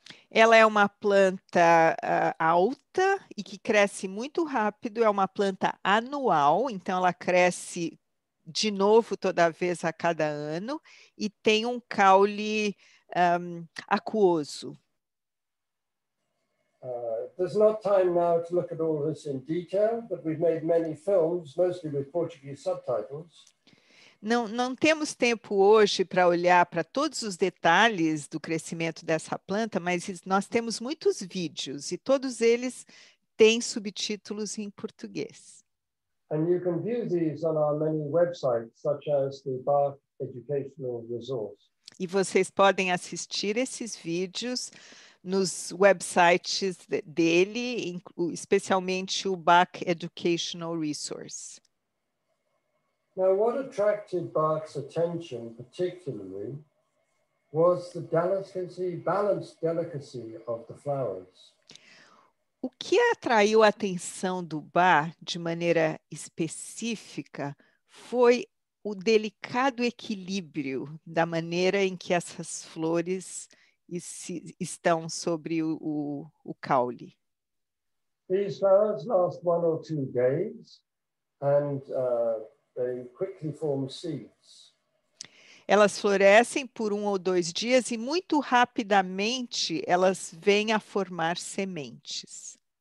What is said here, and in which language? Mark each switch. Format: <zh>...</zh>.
<pt>Ela é uma planta alta e que cresce muito rápido. É uma planta anual, então ela cresce de novo, toda vez a cada ano, e tem um caule aquoso.</pt> <en>There's not time now to look at all this in detail, but we've made many films, mostly with Portuguese subtitles.</en> <pt>Não temos tempo hoje para olhar para todos os detalhes do crescimento dessa planta, mas nós temos muitos vídeos e todos eles têm subtítulos em português.</pt> <en>And you can view these on our many websites, such as the Bach Educational Resource.</en> <pt>E vocês podem assistir esses vídeos nos websites dele, especialmente o Bach Educational Resource.</pt> <en>Now, what attracted Bach's attention particularly was the delicacy, balanced delicacy of the flowers.</en> <pt>O que atraiu a atenção do Bach de maneira específica foi o delicado equilíbrio da maneira em que essas flores estão sobre o caule.</pt> <en>These flowers last one or two days and they quickly form seeds.</en> <pt>Elas florescem por um ou dois dias e muito rapidamente elas vêm a formar sementes.</pt>